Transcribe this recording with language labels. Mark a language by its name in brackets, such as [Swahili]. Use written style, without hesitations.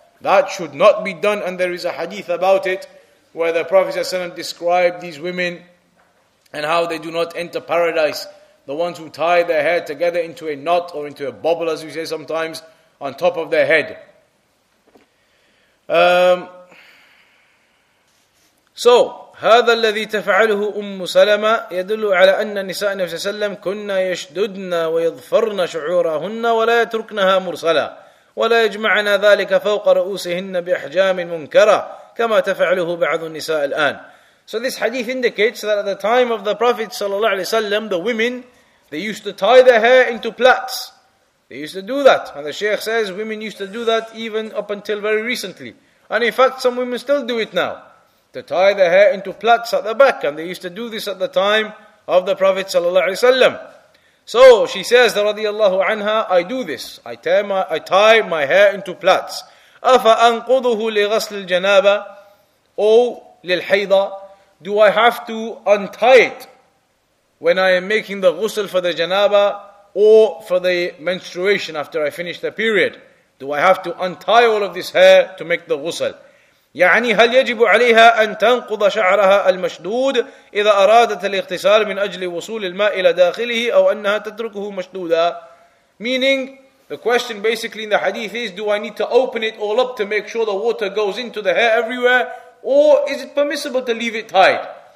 [English] That should not be done, and there is a hadith about it, where the Prophet ﷺ described these women and how they do not enter paradise. The ones who tie their hair together into a knot or into a bubble, as we say sometimes, on top of their head. [Arabic] So, هذا الذي تفعله أم سلمة يدل على أن نساء النبي صلى الله عليه وسلم كنا يشددن ويظفرن شعورهن ولا يتركنها مرسلة ولا يجمعن ذلك فوق رؤوسهن بأحجام منكرة كما تفعله بعض النساء الآن. [English] So this hadith indicates that at the time of the Prophet sallallahu alaihi wasallam, the women, they used to tie their hair into plaits. They used to do that. And the Shaykh says women used to do that even up until very recently. And in fact, some women still do it now, to tie their hair into plaits at the back. And they used to do this at the time of the Prophet sallallahu alaihi wasallam. So she says, radiallahu anha, I do this. I tie my hair into plaits. [Arabic] أَفَ أَنْقُضُهُ لِغَسْلِ الْجَنَابَةِ أو لِلْحَيْضَةِ. [English] Do I have to untie it when I am making the ghusl for the janaba or for the menstruation after I finish the period? Do I have to untie all of this hair to make the ghusl? [Arabic] يعني هل يجب عليها أن تنقض شعرها المشدود إذا أرادت الاغتسال من أجل وصول الماء إلى داخله أو أنها تتركه مشدودا؟ [English] Meaning, the question basically in the hadith is, do I need to open it all up to make sure the water goes into the hair everywhere, or is it permissible to leave it tied?